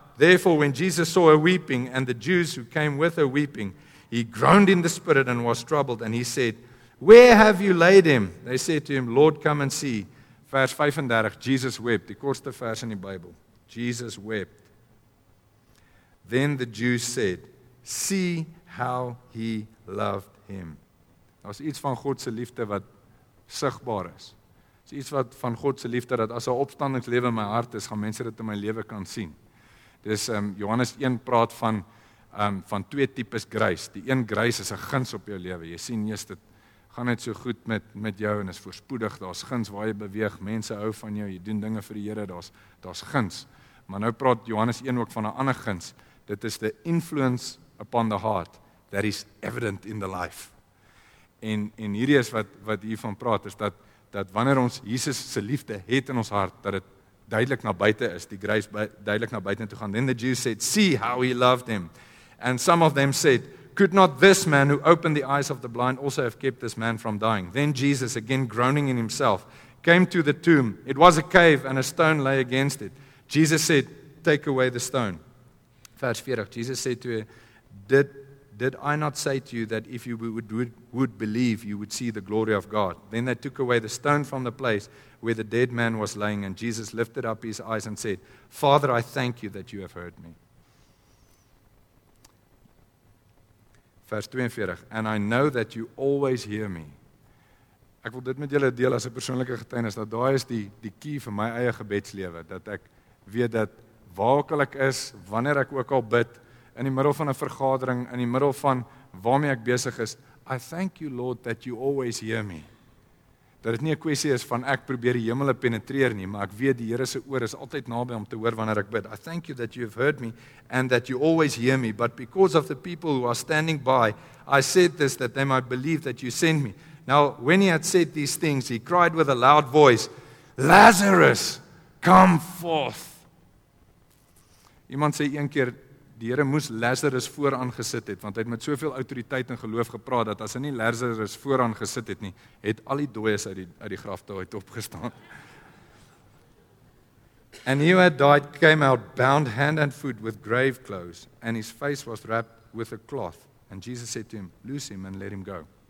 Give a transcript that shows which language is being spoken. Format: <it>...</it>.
<en>Therefore, when Jesus saw her weeping, and the Jews who came with her weeping, he groaned in the spirit and was troubled, and he said, Where have you laid him? They said to him, Lord, come and see.</en> <af>Vers 35,</af> <en>Jesus wept.</en> <af>Die kortste vers in die Bybel.</af> <en>Jesus wept. Then the Jews said, See how he loved him.</en> <af>Daar is iets van Godse liefde wat sigbaar is. Daar is iets wat van Godse liefde, dat as 'n opstandingslewe in my hart is, gaan mense dit in my lewe kan sien. Dis Johannes 1 praat van twee types grace. Die een grace is 'n guns op jou lewe. Jy sien, jy dit gaan net so goed met jou en is voorspoedig. Daar is guns waar jy beweeg, mense hou van jou, jy doen dinge vir die Here, daar is guns. Maar nou praat Johannes 1 ook van 'n ander guns.</af> <en>that is the influence upon the heart that is evident in the life.</en> <af>En hierdie is wat hiervan praat, is dat wanneer ons Jesus se liefde het in ons hart, dat het duidelik na buiten is, die grace duidelik na buiten toe gaan.</af> <en>Then the Jews said, see how he loved him. And some of them said, could not this man who opened the eyes of the blind also have kept this man from dying? Then Jesus, again groaning in himself, came to the tomb. It was a cave and a stone lay against it. Jesus said, take away the stone.</en> <af>Vers 40,</af> <en>Jesus said to him, did I not say to you that if you would believe, you would see the glory of God? Then they took away the stone from the place where the dead man was laying, and Jesus lifted up his eyes and said, Father, I thank you that you have heard me.</en> <af>Vers 42,</af> <en>and I know that you always hear me.</en> <af>Ek wil dit met julle deel as 'n persoonlike getuienis, dat daai is die key vir my eie gebedslewe, dat ek weet dat waar ook al ek is, wanneer ek ook al bid, in die middel van 'n vergadering, in die middel van waarmee ek besig is,</af> <en>I thank you, Lord, that you always hear me.</en> <af>Dat dit nie 'n kwessie is van ek probeer die hemele penetreer nie, maar ek weet die Here se oor is altyd naby om te hoor wanneer ek bid.</af> <en>I thank you that you have heard me and that you always hear me, but because of the people who are standing by, I said this that they might believe that you sent me. Now, when he had said these things, he cried with a loud voice, Lazarus, come forth.</en> <af>Iemand sê een keer, die Here moes Lazarus vooraan gesit het, want hy het met soveel autoriteit en geloof gepraat, dat as hy nie Lazarus vooraan gesit het nie, het al die dooies uit die graf toe uit opgestaan.</af> <en>And he who had died came out bound hand and foot with grave clothes, and his face was wrapped with a cloth. And Jesus said to him, loose him and let him go.</en>